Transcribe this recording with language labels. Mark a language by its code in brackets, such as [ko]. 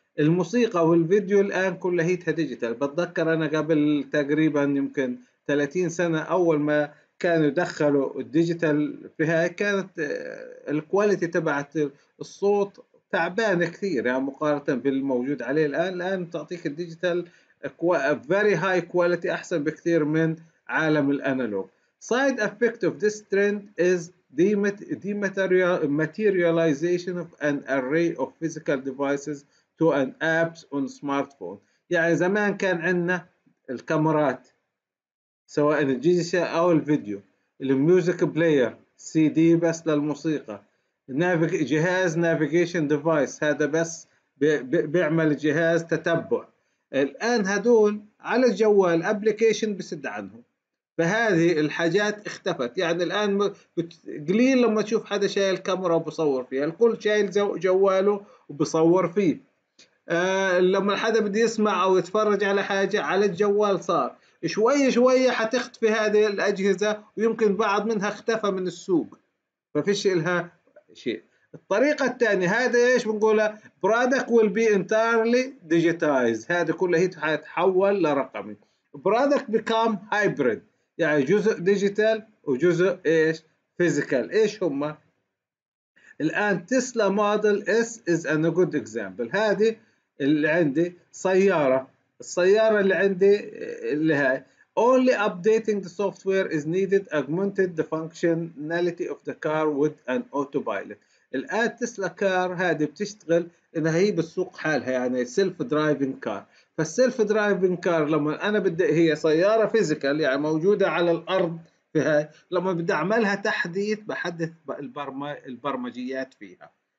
[ar] الموسيقى والفيديو الان كلها هيتها ديجيتال. بتذكر انا قبل تقريبا يمكن 30 سنه اول ما كانوا يدخلوا الديجيتال فيها كانت الكواليتي تبعت الصوت تعبان كثير، يعني مقارنه بالموجود عليه الان. الان تعطيك الديجيتال [en] very high quality, [ar] احسن بكثير من عالم الانالوج. [en] Side effect of this trend is dematerialization of an array of physical devices to an apps on smartphone. [ar] يعني زمان كان عندنا الكاميرات سواء الجيزيسي أو الفيديو، الميوزك بلاير سي دي بس للموسيقى، جهاز نافيجيشن ديفايس هذا بس بيعمل جهاز تتبع. الآن هدول على الجوال أبليكيشن بسد عنهم، فهذه الحاجات اختفت. يعني الآن قليل لما تشوف حدا شايل كاميرا وبصور فيها، الكل شايل جواله وبصور فيه. لما حدا بده يسمع أو يتفرج على حاجة على الجوال صار شوي شوي حتختفي هذه الأجهزة، ويمكن بعض منها اختفى من السوق ففيش إلها شيء. الطريقة الثانية هذا إيش بنقولها، برادك [en] will be entirely digitized، [ar] هذا كله هي حتحول لرقمي. برادك [en] become hybrid، [ar] يعني جزء ديجيتال وجزء إيش فيزيكال. إيش هما الآن؟ [en] Tesla model S is a good example. [ar] هذه اللي عندي سيارة، السيارة اللي عندي اللي هاي [en] only updating the software is needed augmented the functionality of the car with an autopilot. [ar] الآن تسلا كار هذه بتشتغل إنها هي بالسوق حالها، يعني سيلف درايفنج كار. فالسيلف درايفنج كار لما أنا بدي، هي سيارة فيزيكال يعني موجودة على الأرض، فيها لما بدي أعملها تحديث بحدث البرمجيات فيها.